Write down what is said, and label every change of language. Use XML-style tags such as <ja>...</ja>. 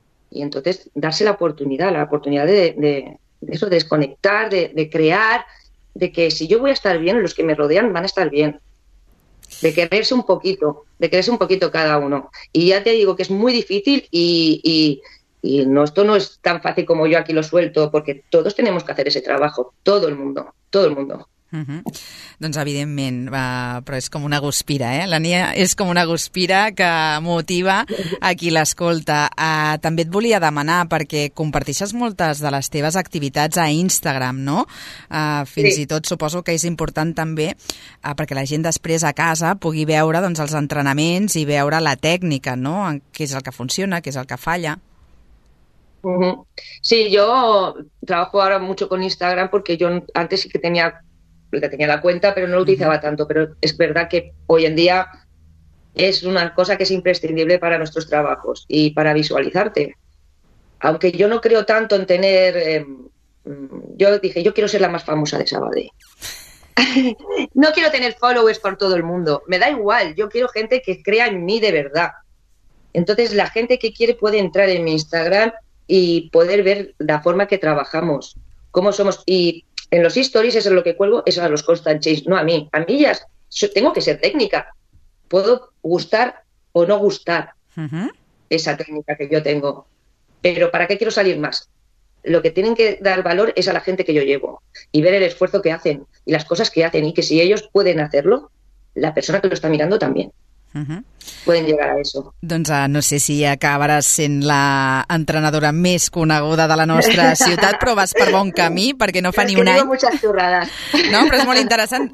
<es>Y entonces darse la oportunidad de eso, de desconectar, de crear, de que si yo voy a estar bien, los que me rodean van a estar bien. De quererse un poquito cada uno. Y ya te digo que es muy difícil y no, esto no es tan fácil como yo aquí lo suelto, porque todos tenemos que hacer ese trabajo, todo el mundo.</es> <ca>Uh-huh. Doncs evidentment, però és com una guspira, eh? La Nia és com una guspira que motiva a qui l'escolta. També et volia demanar, perquè comparteixes moltes de les teves activitats a Instagram, no? Fins sí. I tot suposo que és important també perquè la gent després a casa pugui veure doncs els entrenaments i veure la tècnica, no? Què és el que funciona, què és el que falla. Uh-huh.</ca> <es>Sí,</es> <ca>jo</ca> <es>trabajo</es> <ca>ara</ca> <es>mucho con Instagram porque yo antes sí que tenía la cuenta, pero no lo utilizaba tanto. Pero es verdad que hoy en día es una cosa que es imprescindible para nuestros trabajos y para visualizarte. Aunque yo no creo tanto en tener... yo dije, yo quiero ser la más famosa de Sabadell. No quiero tener followers por todo el mundo. Me da igual, yo quiero gente que crea en mí de verdad. Entonces la gente que quiere puede entrar en mi Instagram y poder ver la forma que trabajamos, cómo somos. Y en los stories, eso es lo que cuelgo, eso a los constant chase, no a mí. A mí ya tengo que ser técnica. Puedo gustar o no gustar esa técnica que yo tengo. Pero ¿para qué quiero salir más? Lo que tienen que dar valor es a la gente que yo llevo y ver el esfuerzo que hacen y las cosas que hacen, y que si ellos pueden hacerlo, la persona que lo está mirando también. Pueden llegar a eso.</es> <ca>Doncs no sé si acabaràs sent la entrenadora més coneguda de la nostra ciutat, però vas per bon camí, perquè no fa ni un any. No, però és molt interessant.</ca>